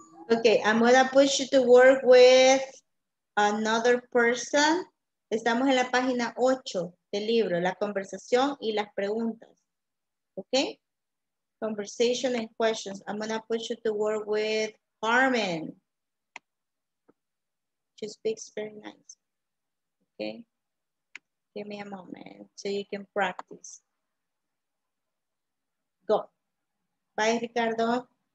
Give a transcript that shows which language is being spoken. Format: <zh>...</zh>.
<en>Okay, I'm going to push you to work with another person.</en> <es>Estamos en la página 8 del libro, la conversación y las preguntas.</es> <en>Okay? Conversation and questions. I'm going to push you to work with Carmen. She speaks very nice. Okay? Give me a moment so you can practice. Go. Bye, Ricardo.</en>